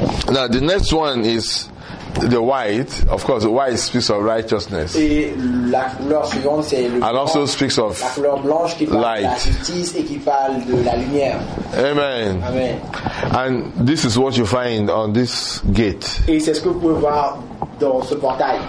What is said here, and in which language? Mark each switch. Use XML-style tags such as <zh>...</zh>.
<en>Now the next one is the white, of course, the white speaks of righteousness.</en> <fr>Et la couleur suivante, c'est le</fr> <en>and</en> <fr>blanc,</fr> <en>also speaks of</en> <fr>la couleur blanche qui parle</fr> <en>light.</en> <fr>De la justice et qui parle de la lumière.</fr> <en>Amen.</en> <fr>Amen.</fr> <en>And this is what you find on this gate.</en> <fr>Et c'est ce que vous pouvez voir dans ce portail.</fr>